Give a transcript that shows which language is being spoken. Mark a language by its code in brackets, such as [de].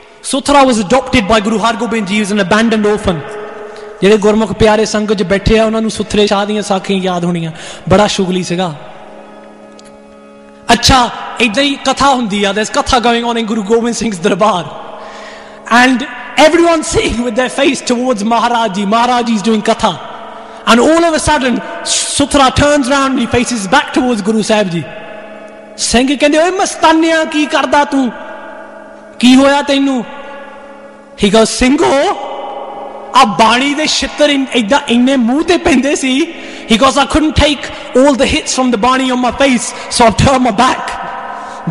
[pa] ਸੁਥਰਾ [en] Was adopted by Guru Hargobind Ji, was an abandoned orphan. [pa] ਜਿਹੜੇ ਗੁਰਮੁਖ ਪਿਆਰੇ ਸੰਗਤ 'ਚ ਬੈਠੇ ਆ ਉਹਨਾਂ ਨੂੰ ਸੁਥਰੇ ਸ਼ਾਹ ਦੀਆਂ ਸਾਖੀਆਂ ਯਾਦ ਹੋਣੀਆਂ, ਬੜਾ ਸ਼ੁਗਲੀ ਸੀਗਾ। ਅੱਛਾ, ਇੱਦਾਂ ਹੀ ਕਥਾ ਹੁੰਦੀ ਆ, [en] This katha going on in Guru Gobind Singh darbar. And everyone sitting with their face towards Maharaji. Maharaji is doing katha. And all of a sudden, Sutra turns around and he faces back towards Guru Sahib Ji. [pa] Singh ਕਹਿੰਦੇ ਓਏ ਮਸਤਾਨਿਆ ਕੀ ਕਰਦਾ ਤੂੰ, ਕੀ ਹੋਇਆ ਤੈਨੂੰ? ਠੀਕ ਆ ਸਿੰਘੋ, ਆ ਬਾਣੀ ਦੇ ਛਿੱਤਰ ਏਦਾਂ ਇੰਨੇ ਮੂੰਹ ਤੇ ਪੈਂਦੇ ਸੀ, [en] Because I couldn't take all the hits from the bani on my face, so I turn my back.